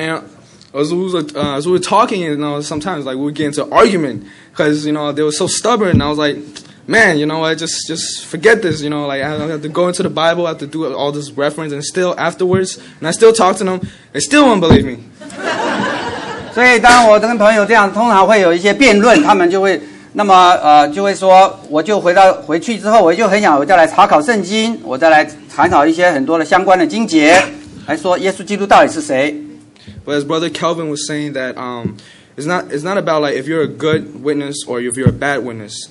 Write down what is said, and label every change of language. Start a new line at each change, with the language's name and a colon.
English: then, as we were talking, sometimes we get into argument because they were so stubborn. And I was like. Man, just forget this, I have to go into the Bible, I have to do all this reference, and still afterwards, and I still talk to them, they still won't believe me.
Chinese: 所以当我跟朋友这样通常会有一些辩论，他们就会，那么就会说，我就回到回去之后，我就很想我再来查考圣经，我再来查考一些很多的相关的经节，来说耶稣基督到底是谁。
English: But as Brother Kelvin was saying that, It's not about if you're a good witness or if you're a bad witness.